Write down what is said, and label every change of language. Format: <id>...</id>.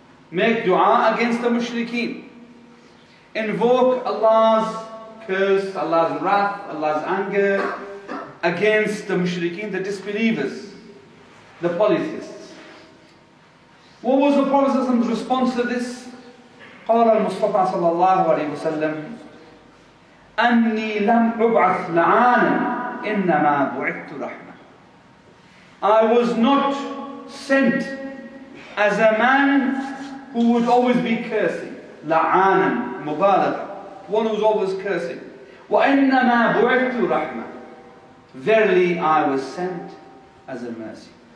<en>Make dua against the mushrikeen. Invoke Allah's curse, Allah's wrath, Allah's anger against the mushrikeen, the disbelievers, the polytheists. What was the Prophet's response to this?</en> <ar>قال المصطفى صلى الله عليه وسلم أني لم أبعث لعانا إنما بعثت رحمة.</ar> <en>I was not sent as a man who would always be cursing.</en> <ar>لعانا مبالغة.</ar> <en>One who's always cursing.</en> <ar>وإنما بعثت رحمة.</ar> <en>Verily I was sent as a mercy.</en>